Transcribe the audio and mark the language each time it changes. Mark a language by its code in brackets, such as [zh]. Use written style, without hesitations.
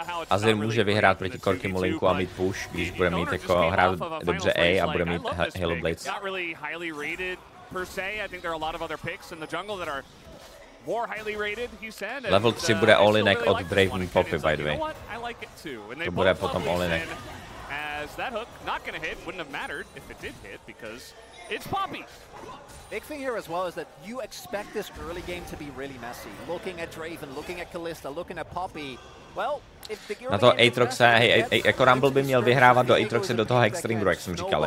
[cs] Azir může vyhrát proti Korkimu linku a mít push, když bude mít jako hrát dobře A a bude mít Hail of Blades. [en] Not really highly rated per se. I think there are a lot of other picks in the jungle that are more highly rated, he said. [cs] Level 3 bude all-inek od Draven Poppy, [en] by the way. [cs] To bude potom all-inek. [en] As that hook not gonna hit, wouldn't have mattered if it did hit because it's Poppy. Big thing here as well is that you expect this early game to be really messy. Looking at Draven, looking at Kalista, looking at Poppy. Well, if the [cs] na to Aatroxe, hej, jako Rumble by měl vyhrávat do Aatroxe do toho Hexdringeru, jak jsem říkal.